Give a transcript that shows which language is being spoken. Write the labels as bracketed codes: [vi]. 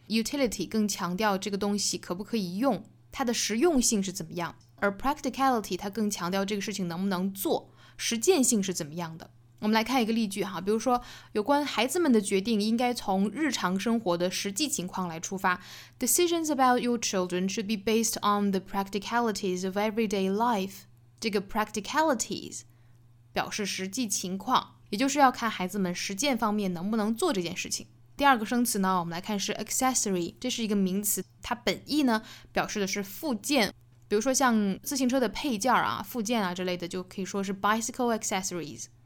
[zh] utility 更强调这个东西可不可以用，它的实用性是怎么样，而 practicality 它更强调这个事情能不能做，实践性是怎么样的。我们来看一个例句哈，比如说有关孩子们的决定应该从日常生活的实际情况来出发。 [en] Decisions about your children should be based on the practicalities of everyday life. [zh] 这个 practicalities表示实际情况，也就是要看孩子们实践方面能不能做这件事情。第二个生词呢，我们来看是 accessory， 这是一个名词，它本意呢表示的是附件，比如说像自行车的配件啊、附件啊之类的，就可以说是 [en] bicycle accessories。